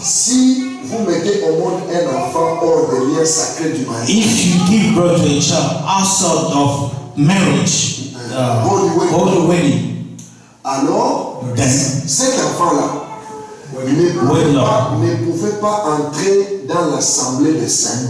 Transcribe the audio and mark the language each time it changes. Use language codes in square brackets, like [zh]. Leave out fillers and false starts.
[fr] si vous mettez au monde un enfant hors des liens sacrés du mariage, [en] if you give birth to a child outside of marriage, holy wedding, alors, then, [fr] cet enfant-là, ne pouvait pas entrer dans l'assemblée des saints.